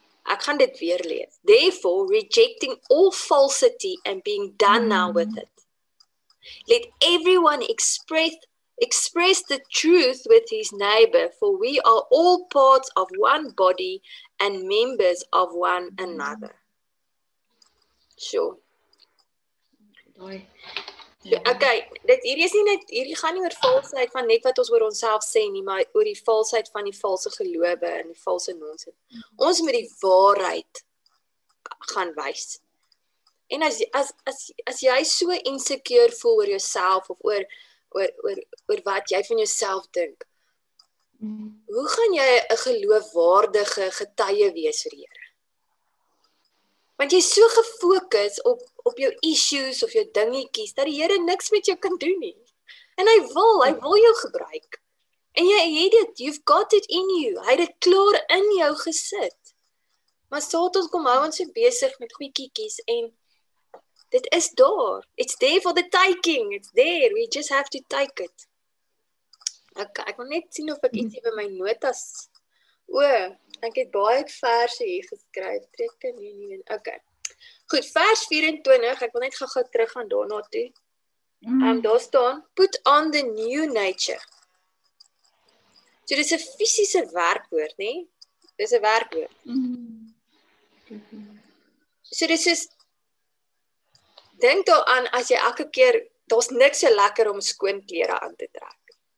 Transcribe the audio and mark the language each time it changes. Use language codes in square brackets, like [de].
[af] Ek gaan dit weer lees. [en] Therefore, rejecting all falsity and being done now with it. Let everyone express the truth with his neighbor, for we are all parts of one body and members of one another. [af] So, okay, dit hier is nie net, hier gaan nie oor valsheid van net wat ons oor onszelf sê nie, maar oor die valsheid van die valse gelowe en die valse nonsens. Ons moet die waarheid gaan wys. En as jy so onseker voel oor jouself of oor wat jy van jouself dink, hoe gaan jy 'n geloofwaardige getuie wees vir die Here? Want jy is so gefokus op jou issues of jou dingetjies, dat die Here niks met jou kan doen nie. En hy wil jou gebruik. En jy het dit, [en] you've got it in you. [af] Hy het dit klaar in jou gesit. Maar Satan kom hou ons so besig met goeiekies en dit is daar. [en] It's there for the taking. It's there. We just have to take it. [af] Okay, ek wil net sien of ek iets heb in my notas. Ek het baie verse hier geskryf. Trek in nie, nie. Okay. Goed, vers 24, ek wil net gou terug gaan daarna toe. Daar staan, [en] put on the new nature. [af] So, dit is 'n fisiese werkwoord, nie? Dit is 'n werkwoord. So, dit is, denk daar aan, as jy elke keer, daar is niks so lekker om skoon klere aan te trek.